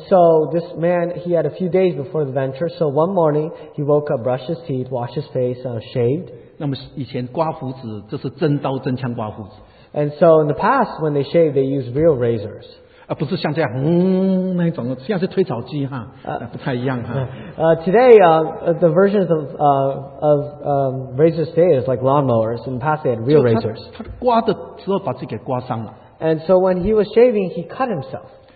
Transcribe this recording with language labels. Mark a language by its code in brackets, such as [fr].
[en] so this man, he had a few days before the venture. So one morning, he woke up, brushed his teeth, washed his face, shaved. [zh] 那么以前刮胡子，这是真刀真枪刮胡子。 [en] And so in the past, when they shaved, they used real razors. [zh] 不是像这样，那种，像是推草机哈，不太一样哈。 [en] Today, the versions of razors today is like lawnmowers. In the past, they had real razors. [zh] 他刮的时候把自己给刮伤了。 [en] And so when he was shaving, he cut himself.